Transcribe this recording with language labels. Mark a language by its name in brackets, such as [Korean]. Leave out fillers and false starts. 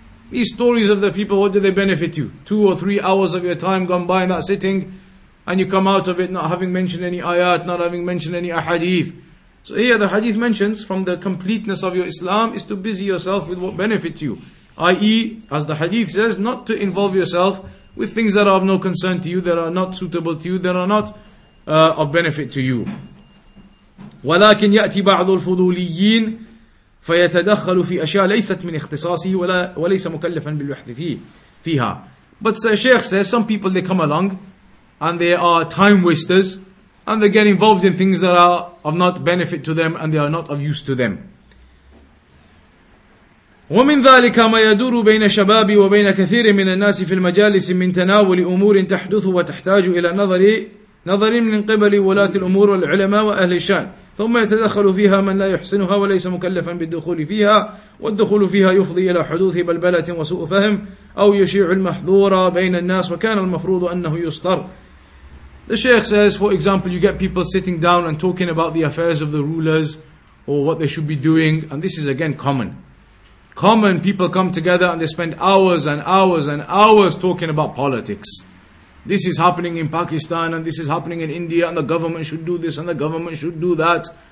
[English] These stories of the people, what do they benefit you? 2 or 3 hours of your time gone by in that sitting, and you come out of it not having mentioned any ayat, not having mentioned any ahadith. So here the hadith mentions, from the completeness of your Islam is to busy yourself with what benefits you. i.e., as the hadith says, not to involve yourself with things that are of no concern to you, that are not suitable to you, that are not of benefit to you. [Arabic] ولكن يأتي بعض الفضوليين فيتدخل في أشياء ليست من اختصاصه ولا وليس مكلفا بالبحث فيها. [English] But the Shaykh says some people, they come along and they are time wasters and they get involved in things that are of not benefit to them and they are not of use to them. [Arabic] ومن ذلك ما يدور بين الشباب وبين كثير من الناس في المجالس من تناول أمور تحدث وتحتاج إلى نظر من قبل ولاة الأمور والعلماء وأهل الشأن. ثم يتدخل فيها من لا يحسنها وليس مكلفا بالدخول فيها والدخول فيها يفضي إلى حدوث بلبلة وسوء فهم أو يشيع المحظور بين الناس وكان المفروض أنه يستر. [English] The Shaykh says, for example, you get people sitting down and talking about the affairs of the rulers or what they should be doing, and this is again common. Common people come together and they spend hours and hours and hours talking about politics. This is happening in Pakistan and this is happening in India and the government should do this and the government should do that.